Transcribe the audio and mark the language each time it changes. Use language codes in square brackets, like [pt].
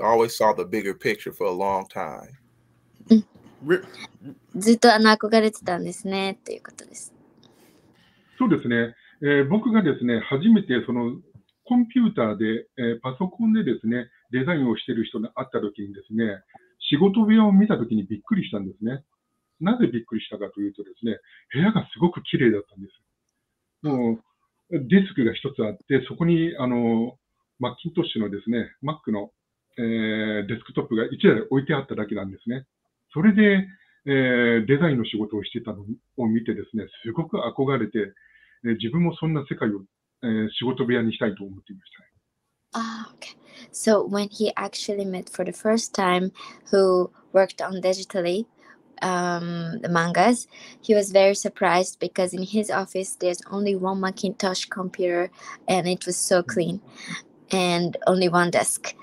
[en] Always saw the bigger picture for a long time. [ja] ずっとあの憧れてたんですねということです。そうですね。僕がですね、初めてそのコンピューターで、パソコンでですね、デザインをしている人に会ったときにですね、仕事部屋を見たときにびっくりしたんですね。なぜびっくりしたかというとですね、部屋がすごく綺麗だったんです。もうデスクが一つあって、そこにあのマッキントッシュのですね、Mac の、デスクトップが一台置いてあっただけなんですね。それで、デザインの仕事をしてたのを見てですね、すごく憧れて、自分もそんな世界を、仕事部屋にしたいと思っていました。 [en] Okay. So when he actually met for the first time who worked on digitally,the mangas, he was very surprised because in his office there's only one Macintosh computer and it was so clean and only one desk.